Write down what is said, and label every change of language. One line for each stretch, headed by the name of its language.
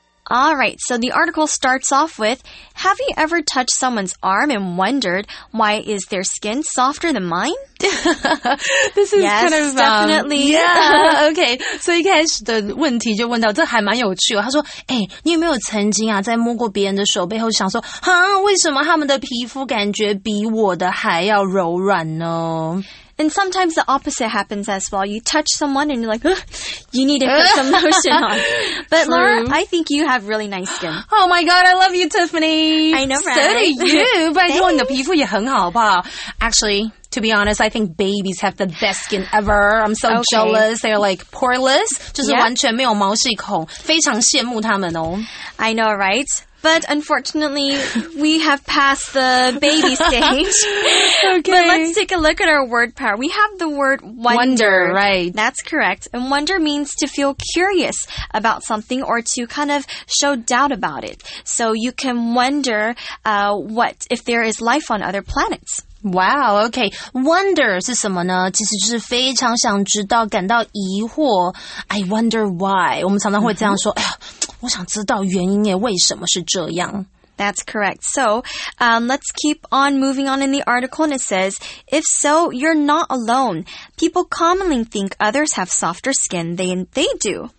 English: Alright, so the article starts off with, have you ever touched someone's arm and wondered why is their skin softer than mine? This is yes, kind of Yes, definitely. Yeah, okay.
Chinese: 所以一开始的问题就问到,这还蛮有趣哦。他说,诶,你有没有曾经啊,在摸过别人的手背后想说,啊,为什么他们的皮肤感觉比我的还要柔软呢?
English: And sometimes the opposite happens as well. You touch someone and you're like, you need to put some lotion on. But True. Laura, I think you have really nice skin. Oh my God, I love you, Tiffany. I know, right? So do you. But you know,
Chinese: 你的皮肤也很好吧?
English: Actually, to be honest, I think babies have the best skin ever. I'm so okay. jealous. They're like poreless.
Chinese: 就是完全没有毛细孔. 非常羡慕他们哦.
English: I know, right? But unfortunately, we have passed the baby stage. Okay. But let's take a look at our word power. We have the word wonder. Wonder, right. That's correct. And wonder means to feel curious about something or to kind of show doubt about it. So you can wonder what if there is life on other planets. Wow, okay. Wonder
Chinese: 是什么呢? 其实就是非常想知道,感到疑惑.
English: I wonder why.
Chinese: 我们常常会这样说, 我想知道原因耶,为什么是这样?
English: That's correct. So, let's keep on moving on in the article. And it says, if so, you're not alone. People commonly think others have softer skin than they do.